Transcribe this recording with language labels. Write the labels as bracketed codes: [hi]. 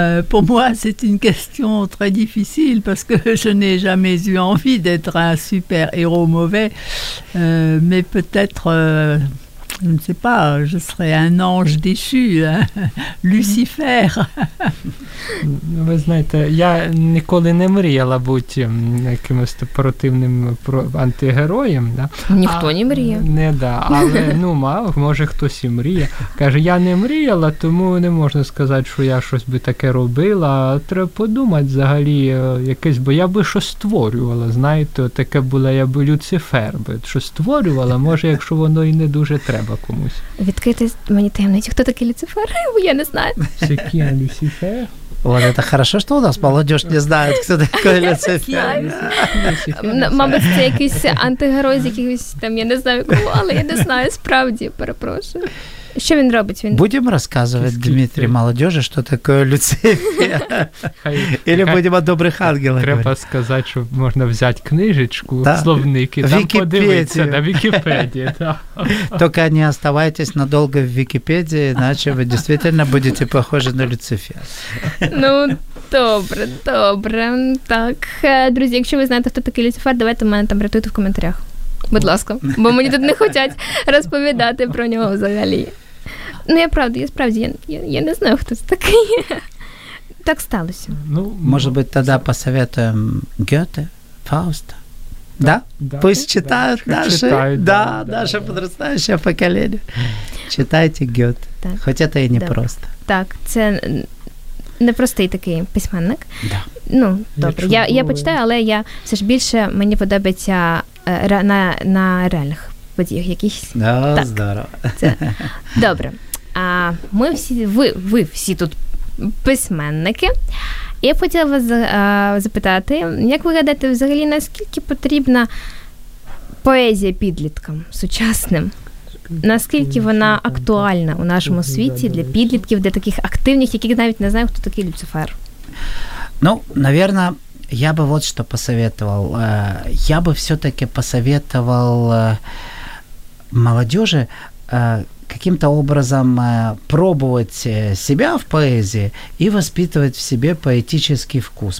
[fr] Pour moi, c'est une question très difficile parce que je n'ai jamais eu envie d'être un super-héros mauvais. Mais peut-être... Je ne sais pas, je serais un ange déchu, hein? Lucifer. [uk] Ви знаєте, я ніколи не мріяла бути якимось противним антигероєм. [ru] Да? [uk] Ніхто не мріє. Не, да. Але, ну, може, хтось і мріє. Каже, я не мріяла, тому не можна сказати, що я щось би таке робила. Треба подумати взагалі якесь, бо я би щось створювала, знаєте, таке була, я би Люцифер би щось створювала, може, якщо воно і не дуже треба комусь. Відкрити мені таємницю, хто такий Люцифер? Я не знаю. Сікін Люцифер? [ru] Вот это хорошо, что у нас молодежь не знает, кто такой Люцифер. [uk] Мабуть, це якийсь антигерой, з якихось там, я не знаю кого, але я не знаю, справді, перепрошую. Що він робить? Він... Будемо розказувати, Дмитрий, молодежі, що таке Люцифер. Или будемо добрих ангелів. Треба сказати, що можна взяти книжечку, да? Словник, і там подивитися на Вікіпедії. [ru] Да. Только не оставайтесь надолго [uk] в Вікіпедії, іначе ви дійсно будете похожі на Люцифер. Ну, добре, добре. Так, друзі, якщо ви знаєте, хто такий Люцифер, давайте мене там рятуйте в коментарях. Будь ласка, бо мені тут не хочуть розповідати про нього взагалі. Ну, я правда, я справді, я не знаю, хто це такий. Так сталося. Ну, може бути, тоді посоветуємо Гьоте, Фауста. [ru] Да? Да? Пусть читают, да, наши, читают, да, да, наше, да, подрастающее, да, поколение. Читайте Гьоте. Так. Хоть это и непросто. [uk] Так. Так, це непростий такий письменник. [ru] Да. [uk] Ну, добре. Я почитаю, але я все ж більше мені подобається на реальних подіях якихось. Да, так, здорово. Це. Добре. А ми всі, ви всі тут письменники. Я б хотіла вас запитати, як ви гадаєте, взагалі, наскільки потрібна поезія підліткам сучасним? Наскільки вона актуальна у нашому світі для підлітків, для таких активних, яких навіть не знаю, хто такий Люцифер? [ru] Ну, наверное, я бы вот что посоветовал. Я бы все-таки посоветовал молодежи каким-то образом пробовать себя в поэзии и воспитывать в себе поэтический вкус.